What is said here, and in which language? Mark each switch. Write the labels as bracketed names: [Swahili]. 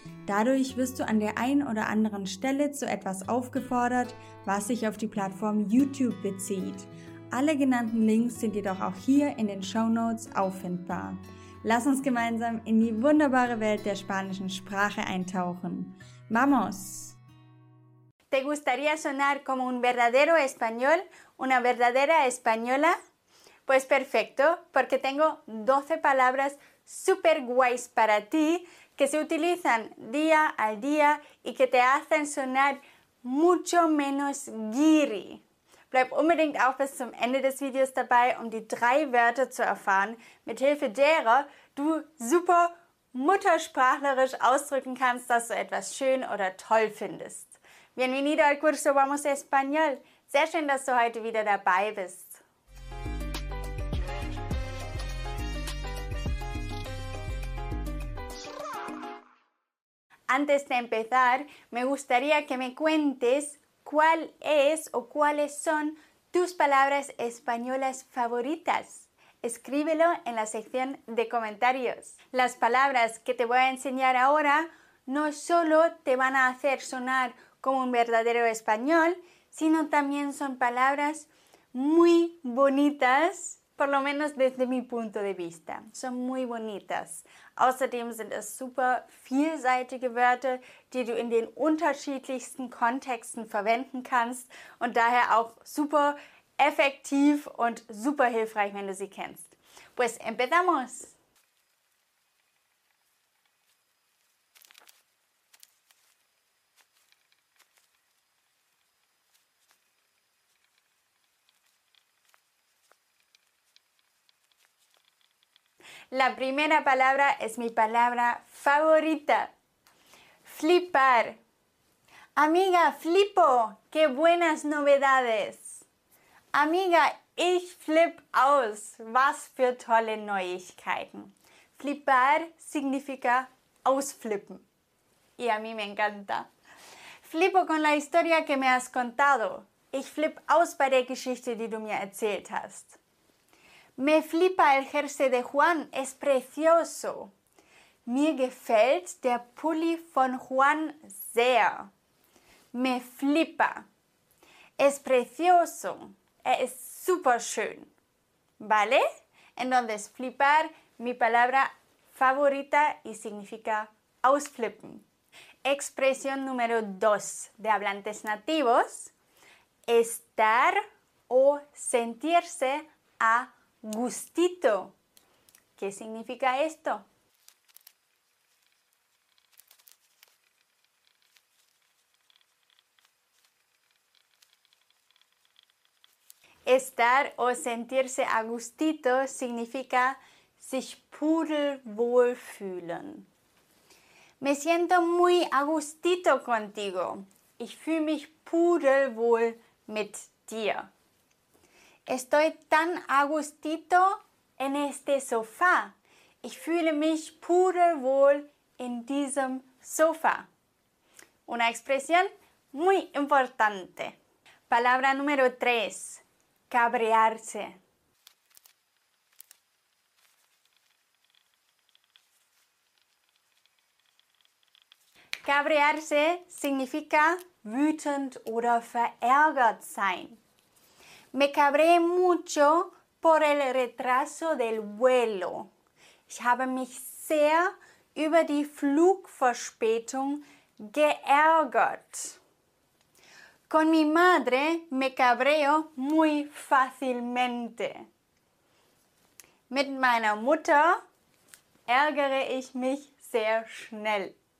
[German] Dadurch wirst du an der einen oder anderen Stelle zu etwas aufgefordert, was sich auf die Plattform YouTube bezieht. Alle genannten Links sind jedoch auch hier in den Shownotes auffindbar. Lass uns gemeinsam in die wunderbare Welt der spanischen Sprache eintauchen. [Spanish] ¡Vamos! ¿Te gustaría sonar como un verdadero español, una verdadera española? Pues perfecto, porque tengo 12 palabras super guays para ti que se utilizan día a día y que te hacen sonar mucho menos guiri. [German] Bleib unbedingt auch bis zum Ende des Videos dabei, um die 3 Wörter zu erfahren, mithilfe derer du super muttersprachlerisch ausdrücken kannst, dass du etwas schön oder toll findest. [Spanish] Bienvenido al curso Vamos Español. [German] Sehr schön, dass du heute wieder dabei bist. [Spanish] Antes de empezar, me gustaría que me cuentes ¿cuál es o cuáles son tus palabras españolas favoritas? Escríbelo en la sección de comentarios. Las palabras que te voy a enseñar ahora no solo te van a hacer sonar como un verdadero español, sino también son palabras muy bonitas, por lo menos desde mi punto de vista. Son muy bonitas. [German] Außerdem sind es super vielseitige Wörter, die du in den unterschiedlichsten Kontexten verwenden kannst und daher auch super effektiv und super hilfreich, wenn du sie kennst. [Spanish] Pues empezamos! La primera palabra es mi palabra favorita. Flipar. Amiga, flipo. ¡Qué buenas novedades! Amiga, [German] ich flip aus. Was für tolle Neuigkeiten. [Spanish] Flipar significa [German] ausflippen. [Spanish] Y a mí me encanta. Flipo con la historia que me has contado. [German] Ich flip aus bei der Geschichte, die du mir erzählt hast. [Spanish] Me flipa el jersey de Juan, es precioso. [German] Mir gefällt der Pulli von Juan sehr. [Spanish] Me flipa. Es precioso. [German] Es super schön. [Spanish] ¿Vale? Entonces, flipar, mi palabra favorita y significa ausflippen. Expresión número 2 de hablantes nativos. Estar o sentirse a gustito. ¿Qué significa esto? Estar o sentirse a gustito significa [German] sich pudelwohl fühlen. [Spanish] Me siento muy a gustito contigo. [German] Ich fühle mich pudelwohl mit dir. [Spanish] Estoy tan a gustito en este sofá. [German] Ich fühle mich pudelwohl in diesem Sofa. [Spanish] Una expresión muy importante. Palabra número 3. Cabrearse. Cabrearse significa [German] wütend oder verärgert sein. [Spanish] Me cabré mucho por el retraso del vuelo. [German] Ich habe mich sehr über die Flugverspätung geärgert. [Spanish] Con mi madre me cabreo muy fácilmente. [German] Mit meiner Mutter ärgere ich mich sehr schnell.